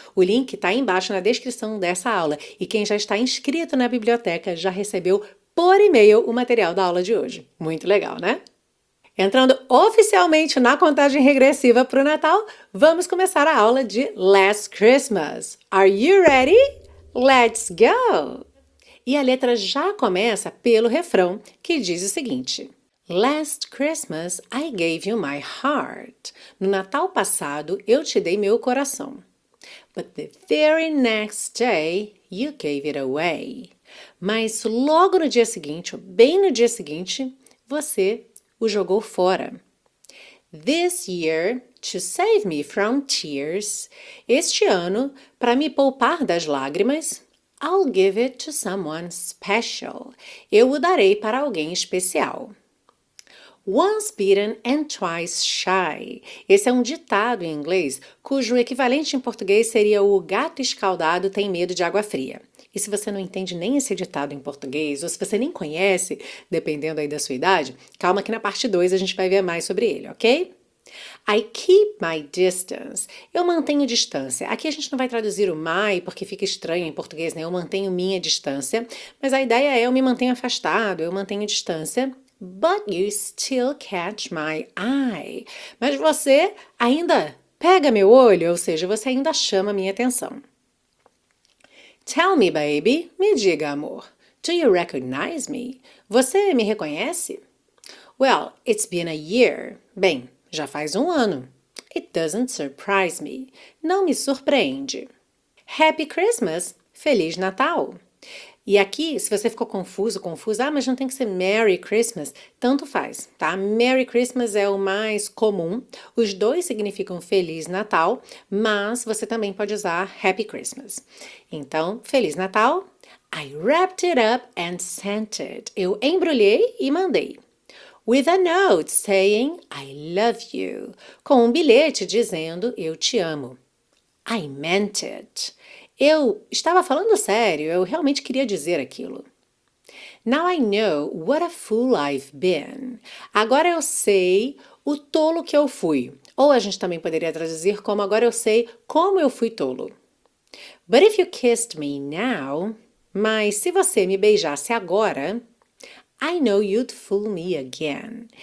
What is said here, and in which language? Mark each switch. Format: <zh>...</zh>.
<pt>O link está aí embaixo na descrição dessa aula e quem já está inscrito na biblioteca já recebeu por e-mail o material da aula de hoje. Muito legal, né? Entrando oficialmente na contagem regressiva para o Natal, vamos começar a aula de Last Christmas.</pt> <en>Are you ready? Let's go!</en> <pt>E a letra já começa pelo refrão, que diz o seguinte.</pt> <en>Last Christmas, I gave you my heart.</en> <pt>No Natal passado, eu te dei meu coração.</pt> <en>But the very next day, you gave it away.</en> <pt>Mas logo no dia seguinte, ou bem no dia seguinte, você o jogou fora.</pt> <en>This year, to save me from tears,</en> <pt>este ano, para me poupar das lágrimas,</pt> <en>I'll give it to someone special.</en> <pt>Eu o darei para alguém especial.</pt> <en>Once bitten and twice shy.</en> <pt>Esse é um ditado em inglês, cujo equivalente em português seria o gato escaldado tem medo de água fria. E se você não entende nem esse ditado em português, ou se você nem conhece, dependendo aí da sua idade, calma que na parte 2 a gente vai ver mais sobre ele, ok?</pt> <en>I keep my distance.</en> <pt>Eu mantenho distância. Aqui a gente não vai traduzir o my porque fica estranho em português, né? Eu mantenho minha distância. Mas a ideia é eu me mantenho afastado, eu mantenho distância.</pt> <en>But you still catch my eye.</en> <pt>Mas você ainda pega meu olho, ou seja, você ainda chama minha atenção.</pt> <en>Tell me, baby.</en> <pt>Me diga, amor.</pt> <en>Do you recognize me?</en> <pt>Você me reconhece?</pt> <en>Well, it's been a year.</en> <pt>Bem, já faz um ano.</pt> <en>It doesn't surprise me.</en> <pt>Não me surpreende.</pt> <en>Happy Christmas.</en> <pt>Feliz Natal. E aqui, se você ficou confuso, confusa, mas não tem que ser Merry Christmas, tanto faz, tá? Merry Christmas é o mais comum. Os dois significam Feliz Natal, mas você também pode usar Happy Christmas. Então, Feliz Natal.</pt> <en>I wrapped it up and sent it.</en> <pt>Eu embrulhei e mandei.</pt> <en>With a note saying I love you.</en> <pt>Com um bilhete dizendo eu te amo.</pt> <en>I meant it.</en> <pt>Eu estava falando sério, eu realmente queria dizer aquilo.</pt> <en>Now I know what a fool I've been.</en> <pt>Agora eu sei o tolo que eu fui. Ou a gente também poderia traduzir como agora eu sei como eu fui tolo.</pt> <en>But if you kissed me now,</en> <pt>mas se você me beijasse agora,</pt> <en>I know you'd fool me again.</en>